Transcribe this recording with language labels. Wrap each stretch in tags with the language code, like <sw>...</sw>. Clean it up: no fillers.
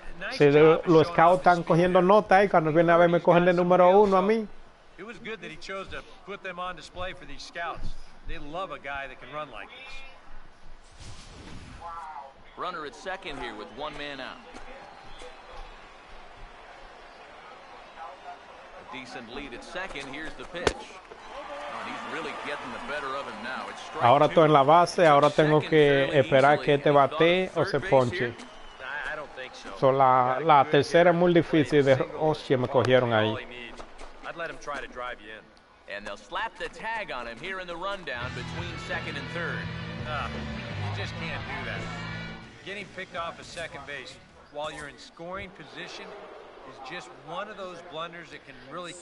<es>Si los scouts están cogiendo nota y cuando viene a ver me cogen de número uno a mí.</es> <en>It was good that he chose to put them on display for these scouts. They love a guy that can run like this. Runner at second here with one man out. decent lead at second. Here's the pitch. He's really getting the better of him now. It's strike.</en> <es>Ahora estoy en la base, ahora tengo que esperar que este bate o se ponche.</es> <en>So</en> <es>la tercera es muy difícil de Oshie, me cogieron ahí.</es> <en>I'd let him try to drive you in. And they'll slap the tag on him here in the rundown between second and third. You just can't do that. Getting picked off a second base while you're in scoring position is just one of those blunders that can really kill.</en>